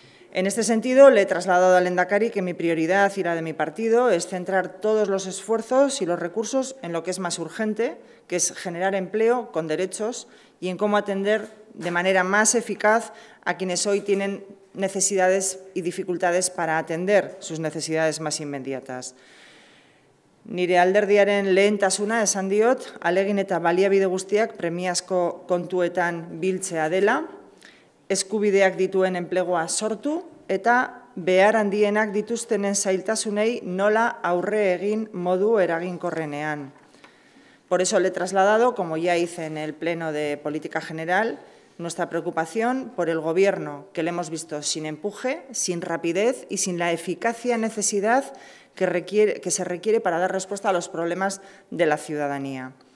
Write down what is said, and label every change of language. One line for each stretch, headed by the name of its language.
Spanish: En este sentido, le he trasladado al Lehendakari que mi prioridad y la de mi partido es centrar todos los esfuerzos y los recursos en lo que es más urgente, que es generar empleo con derechos y en cómo atender de manera más eficaz a quienes hoy tienen necesidades y dificultades para atender sus necesidades más inmediatas.
Basque: Nire alderdiaren lehentasuna esan diot, alegin eta baliabide guztiak premiazko kontuetan biltzea dela, eskubideak dituen enplegua sortu eta behar handienak dituztenen zailtasunei nola aurre egin modu eraginkorrenean.
Spanish: Por eso le he trasladado, como ya hice en el Pleno de Política General, nuestra preocupación por el Gobierno, que le hemos visto sin empuje, sin rapidez y sin la eficacia necesidad que se requiere para dar respuesta a los problemas de la ciudadanía.